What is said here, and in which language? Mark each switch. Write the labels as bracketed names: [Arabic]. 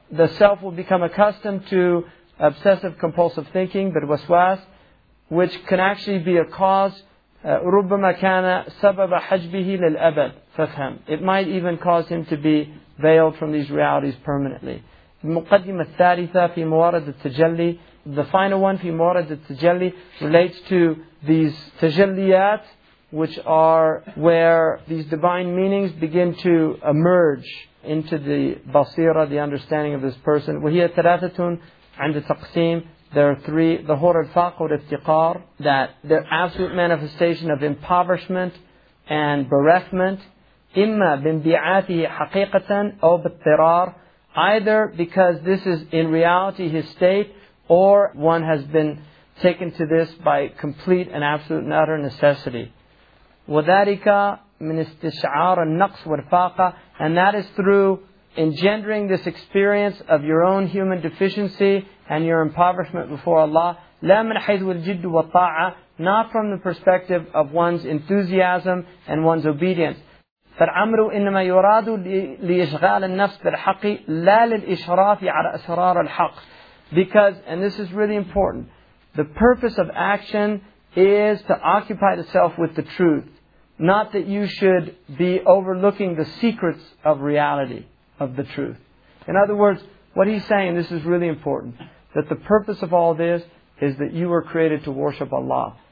[English] The self will become accustomed to obsessive compulsive thinking, but waswas, which can actually be a cause. [Arabic] رُبَّمَا كَانَ سَبَبَ حَجْبِهِ لِلْأَبَدْ فَفْهَمْ. [English] It might even cause him to be veiled from these realities permanently. [Arabic] المقدمة الثالثة في موارد التجلي. [English] The final one [Arabic] في موارد التجلي [English] relates to these تجليات, which are where these divine meanings begin to emerge into the basira, the understanding of this person. [Arabic] وَهِيَ ثَلَاثَةٌ عَنْدَ تَقْسِيمٍ. [English] There are three, the hur al-faq wal-iftiqar, that the absolute manifestation of impoverishment and bereftment, [Arabic] إما بانبعاثه حقيقة أو بالطرار, [English] either because this is in reality his state, or one has been taken to this by complete and absolute and utter necessity. [Arabic] وذلك من استشعار النقص والفاقة, [English] and that is through engendering this experience of your own human deficiency and your impoverishment before Allah. [Arabic] لا من حيث الجد والطاعة, [English] not from the perspective of one's enthusiasm and one's obedience. [Arabic] فالعمر إنما يراد لإشغال النفس بالحق لا للإشراف على أسرار الحق. [English] Because, and this is really important, the purpose of action is to occupy itself with the truth, not that you should be overlooking the secrets of reality, of the truth. In other words, what he's saying, this is really important, that the purpose of all this is that you were created to worship Allah.